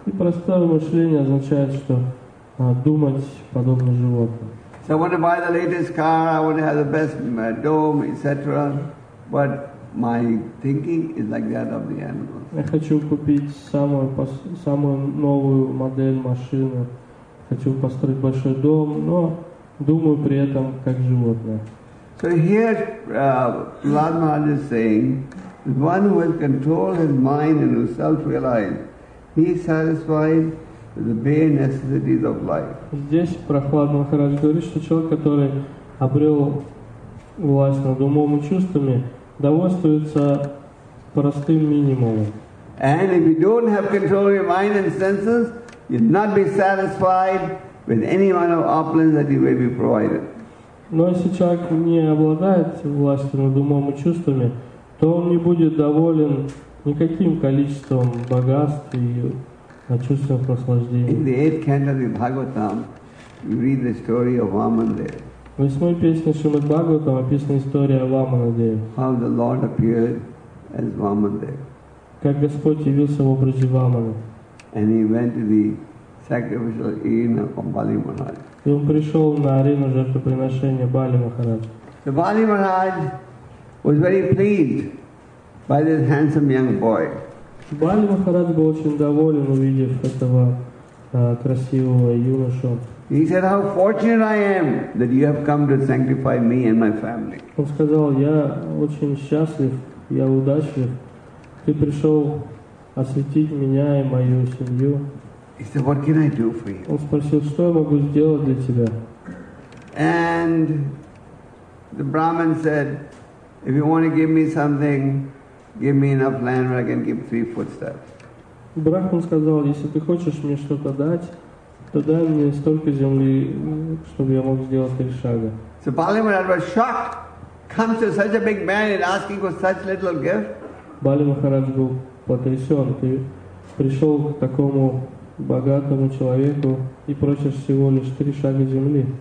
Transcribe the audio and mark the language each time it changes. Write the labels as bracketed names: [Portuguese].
[Russian] И простое мышление означает, что думать подобно животным. [English] So I want to buy the latest car, I want to have the best dome, etc. But my thinking is like that of the animals. [Russian] Я хочу купить самую новую модель машины. Хочу построить большой дом, но думаю при этом как животное. [English] So here, Prahlad Maharaj is saying, one who has controlled his mind and who self-realized, he is satisfied with the bare necessities of life. [Russian] Здесь Прахлад Махарадж говорит, что человек, который обрел власть над умом и чувствами, довольствуется простым минимумом. [English] And if you don't have control of your mind and senses, you'll not be satisfied with any amount of opulence that you may be provided. [Russian] Но если человек не обладает властью над умом и чувствами, то он не будет доволен никаким количеством богатств и чувственных наслаждений. [English] In the eighth canto of the Bhagavatam, you read the story of Vamandev. [Russian] В восьмой песне Шримад Бхагаватам описана история о Ваманадеве. [English] How the Lord appeared as Vamandev. [Russian] Как Господь явился в образе Вамана. [English] And he went to the sacrificial inn of Bali Maharaj. [Russian] И он пришел на арену жертвоприношения Бали Махарадж. [English] The Bali Maharaj was very pleased by this handsome young boy. [Russian] Бали Махарадж был очень доволен, увидев этого красивого юношу. [English] He said, "How fortunate I am that you have come to sanctify me and my family." [Russian] Он сказал: "Я очень счастлив, я удачлив. Ты пришел осветить меня и мою семью." [English] He said, "What can I do for you?" [Russian] Он спросил: "Что я могу сделать для тебя?" [English] And the Brahmin said, "If you want to give me something, give me enough land where I can keep 3 footsteps." [Russian] Брахман сказал: "Если ты хочешь мне что-то дать, то дай мне столько земли, чтобы я мог сделать 3 шага. [English] So Bali Maharaj was shocked. Comes to such a big man and asking for such little gift. [Russian] Бали Махарадж был потрясен. Ты пришел к такому богатому человеку и просишь всего лишь 3 шага земли.